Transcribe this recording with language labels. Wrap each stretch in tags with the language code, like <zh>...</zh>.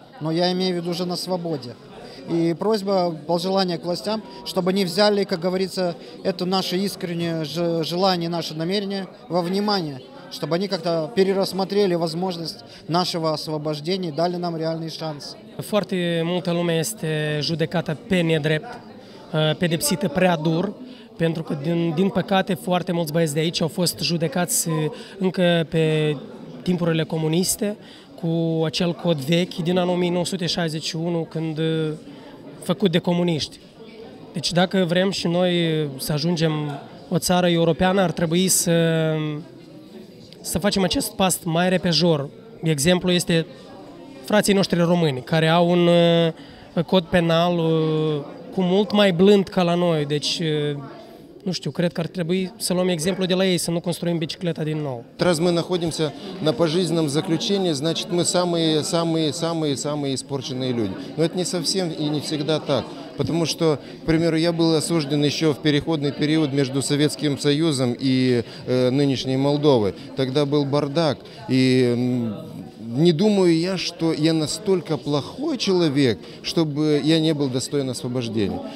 <ru>Но я имею в виду уже на свободе. И просьба, пожелание к властям, чтобы они взяли, как говорится, это наше искреннее желание, наше намерение во внимание, чтобы они как-то перерассмотрели возможность нашего освобождения и дали нам реальный шанс.</ru> <ro>Форте мульта лумя есть жудеката пе недрепт, педепсита преа дур. Pentru că, din păcate, foarte mulți băieți de aici au fost judecați încă pe timpurile comuniste, cu acel cod vechi din anul 1961, când făcut de comuniști. Deci dacă vrem și noi să ajungem o țară europeană, ar trebui să facem acest pas mai repejor, exemplu este frații noștri români, care au un cod penal cu mult mai blând ca la noi. Deci, nu știu, cred că ar trebui să luăm exemplu de la ei, să nu construim bicicleta din nou.</ro> <ru>Раз мы находимся на пожизненном заключении, значит, мы самые испорченные люди. Но это не совсем и не всегда так. Потому что, к примеру, я был осужден еще в переходный период между Советским Союзом и нынешней Молдовой. Тогда был бардак. И не думаю я, что я настолько плохой человек, чтобы я не был достоин освобождения.</ru>